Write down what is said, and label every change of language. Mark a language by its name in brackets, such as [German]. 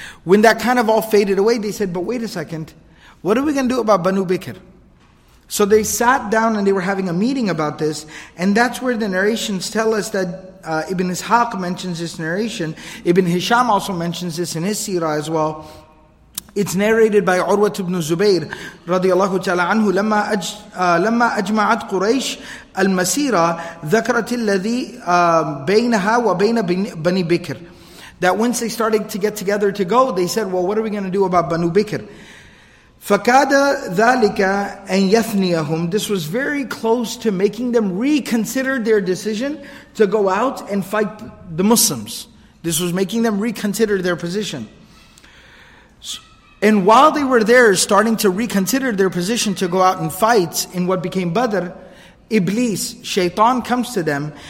[English] When that kind of all faded away, they said, but wait a second, what are we going to do about Banu Bikr? So they sat down and they were having a meeting about this. And that's where the narrations tell us that Ibn Ishaq mentions this narration. Ibn Hisham also mentions this in his seerah as well. It's narrated by Urwat ibn Zubayr, radiallahu ta'ala anhu, [Arabic] لما أجمعت قريش المسيرة ذكرت الذي بينها وبين بني بكر. [English] That once they started to get together to go, they said, well, what are we going to do about Banu Bikr? [Arabic] فَكَادَ ذَلِكَ أَنْ يَثْنِيَهُمْ. [English] This was very close to making them reconsider their decision to go out and fight the Muslims. This was making them reconsider their position. And while they were there, starting to reconsider their position to go out and fight in what became Badr, Iblis, Shaytan, comes to them.